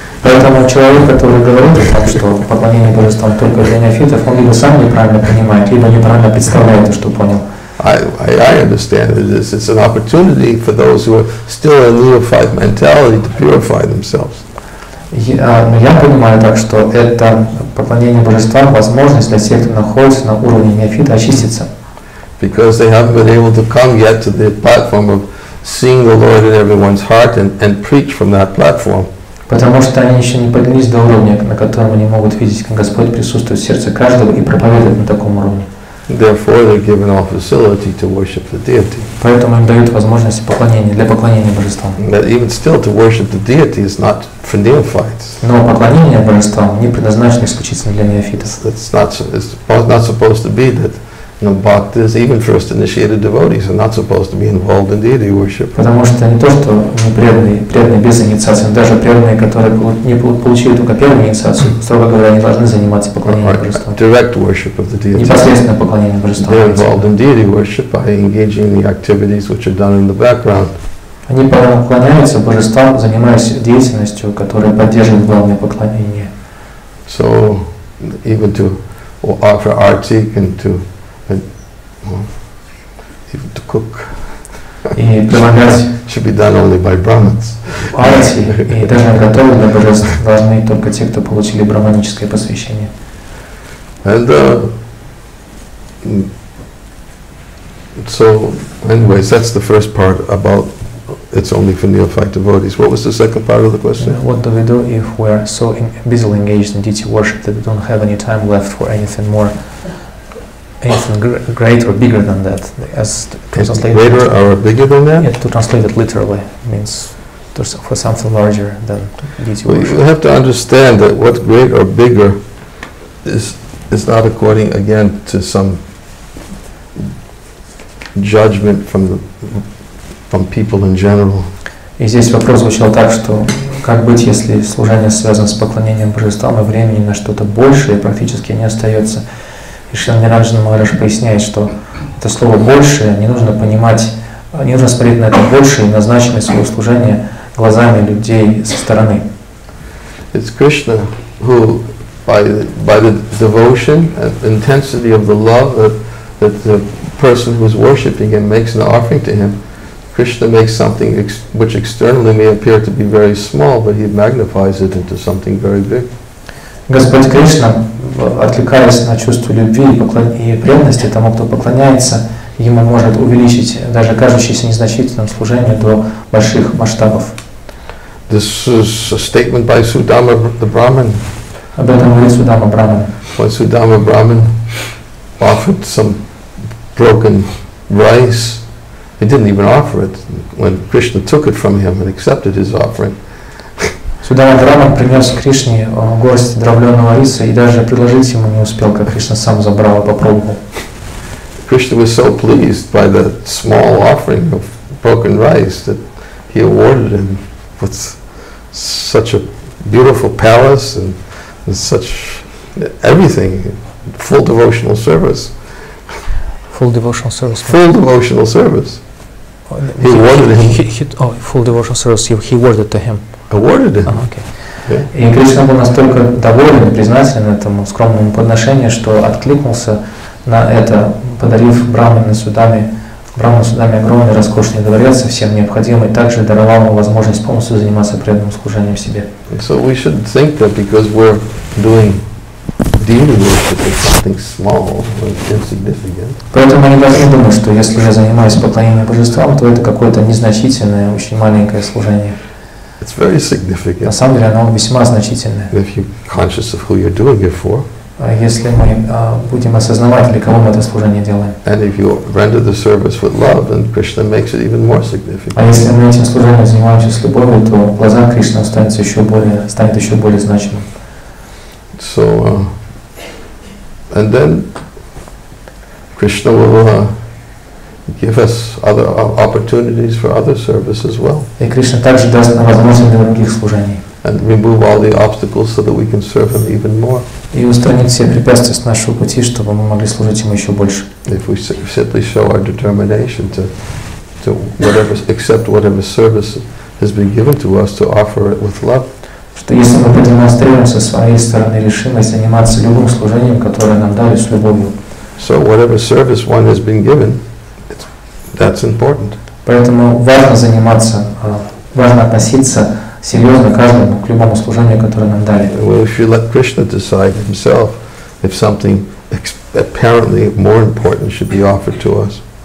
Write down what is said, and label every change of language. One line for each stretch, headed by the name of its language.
Russian: Поэтому человек, который говорит о том, что поклонение божествам только для неофитов, он либо сам неправильно понимает, либо неправильно представляет то, что понял.
English: I understand it. It's an opportunity for those who are still in neophyte mentality to purify themselves.
Russian: Я понимаю так, что это поклонение божествам возможность для тех, кто находится на уровне неофита, очиститься.
English: Because they haven't been able to come yet to the platform of seeing the Lord in everyone's heart and preach from that platform.
Russian: Потому что они еще не поднялись до уровня, на котором они могут видеть, как Господь присутствует в сердце каждого и проповедовать на таком уровне.
English: Therefore, they're given a facility to worship the deity.
Russian: Поэтому им дают возможность поклонения для поклонения божествам.
English: But even still, to worship the deity is not for neophytes.
Russian: Но поклонение божествам не предназначено исключительно для неофитов.
English: It's not supposed to be that
Russian: Но
English: бхактис, even first initiated devotees, are not supposed to be involved in deity worship.
Russian: Потому что не то, что не преданные, преданные без инициации, но даже преданные, которые не получили только первую инициацию, строго говоря, не должны заниматься поклонением божествам.
English: Direct worship of the deity.
Russian: Непосредственно поклонение божествам.
English: They're involved in deity worship by engaging the activities which are done in the background.
Russian: Они поклоняются божествам, занимаясь деятельностью, которая поддерживает главное поклонение.
English: So, even to offer artik and to even to cook should be done only by brahmins.
Russian: Арти и даже готовить для божеств должны только те, кто получили брахманическое посвящение.
English: And so, anyways, that's the first part about it's only for neophyte devotees. What was the second part of the question? What do we do if we are so busily engaged in deity worship that we don't have any time left for anything more? Anything great or bigger than that, as translated. Greater or bigger than that? Yeah, to translate it literally means for something larger than deity worship. You have to understand that what great or bigger is not according again to some judgment from people in general.
Russian: И здесь вопрос звучал так, что как быть, если служение связано с поклонением божествам и времени на что-то большее практически не остается. И Шрила Ниранджана Махарадж поясняет, что это слово «большее» не нужно понимать, не нужно смотреть на это «большее» и назначенное свое служение глазами людей со стороны.
English: It's Krishna who, by the devotion and intensity of the love that the person who is worshipping him makes an offering to him, Krishna makes something which externally may appear to be very small, but he magnifies it into something very big.
Russian: Господь Кришна, отвлекаясь на чувство любви и преданности тому, кто поклоняется, ему может увеличить даже кажущееся незначительным служение до больших масштабов.
English: This is a statement by Sudama the Brahmin.
Russian: Об этом говорит Судама Брахман.
English: When Sudama Brahmin offered some broken rice, he didn't even offer it. When Krishna took it from him and accepted his offering,
Russian: Судама Брахман принес Кришне горсть дробленого риса и даже предложить ему не успел, как Кришна сам забрал и попробовал.
English: Krishna was so pleased by the small offering of broken rice that he awarded him with such a beautiful palace and such everything, full devotional service. Full devotional service. Full devotional service. He awarded him. Oh, full devotional service. He awarded to him. Awarded him. Oh, okay. Yeah.
Russian: И Кришна был настолько доволен и признателен этому скромному подношению, что откликнулся на это, подарив Брахману Судаме огромный роскошный дворец, всем необходимый, также даровал ему возможность полностью заниматься преданным служением себе.
English: So we should think that because we're doing deity worship, it's something small or insignificant.
Russian: Поэтому мы не должны думать, что если я занимаюсь поклонением божествам, то это какое-то незначительное, очень маленькое служение.
English: It's very significant.
Russian: На самом деле, оно весьма значительное.
English: If you're conscious of who you're doing it for.
Russian: Если мы будем осознавать, для кого мы это служение делаем.
English: And if you render the service with love, then Krishna makes it even more significant.
Russian: А если мы этим служением занимаемся с любовью, то глаза Кришны станет еще более значимым.
English: So, and then Krishna will give us other opportunities for other service as well.
Russian: И Кришна также даст нам возможность для других служений.
English: And remove all the obstacles so that we can serve Him even more.
Russian: И устранить все препятствия с нашего пути, чтобы мы могли служить Ему еще больше.
English: If we simply show our determination to whatever accept whatever service has been given to us to offer it with love.
Russian: Что если мы продемонстрируем со своей стороны решимость заниматься любым служением, которое нам дали с любовью.
English: So whatever service one has been given, that's important.
Russian: Поэтому важно заниматься, важно относиться серьезно каждому к любому служению, которое нам дали.
English: Well, if you let Krishna decide himself if something apparently more important should be offered to us.